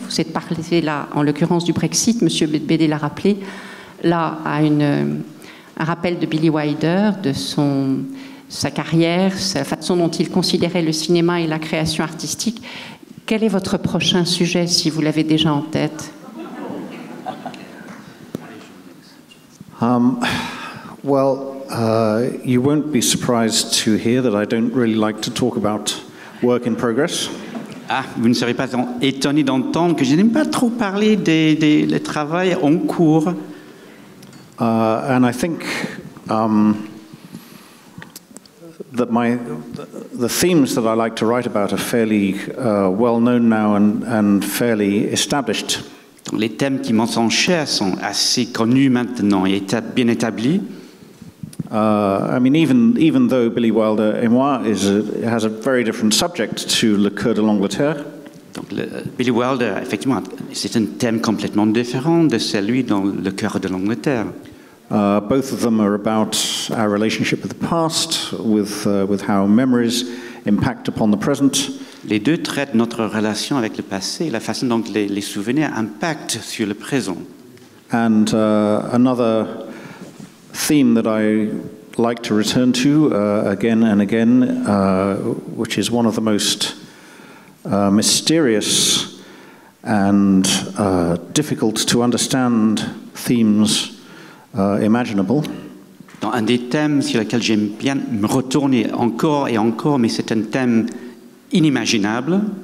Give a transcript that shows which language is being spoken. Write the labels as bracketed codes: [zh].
[fr] Vous êtes parlé là, en l'occurrence, du Brexit. Monsieur Beigbeder l'a rappelé. Là, à un rappel de Billy Wilder, de sa carrière, sa façon dont il considérait le cinéma et la création artistique. Quel est votre prochain sujet, si vous l'avez déjà en tête? [en] You won't be surprised to hear that I don't really like to talk about work in progress. [fr] Ah, vous ne serez pas étonné d'entendre que je n'aime pas trop parler des travaux en cours. [en] And I think that the themes that I like to write about are fairly well known now and fairly established. [fr] Les thèmes qui m'en sont chers sont assez connus maintenant et bien établis. [en] Even though Billy Wilder et moi has a very different subject to Le Coeur de l'Angleterre. [fr] Donc Billy Wilder, effectivement, c'est un thème complètement différent de celui dans Le Coeur de l'Angleterre. [en] Both of them are about our relationship with the past, with how memories impact upon the present. [fr] Les deux traitent notre relation avec le passé, la façon dont les souvenirs impactent sur le présent. [en] And another theme that I like to return to again and again, which is one of the most mysterious and difficult to understand themes imaginable. [fr] Dans un des thèmes sur lesquels j'aime bien me retourner encore et encore, mais c'est un thème inimaginable.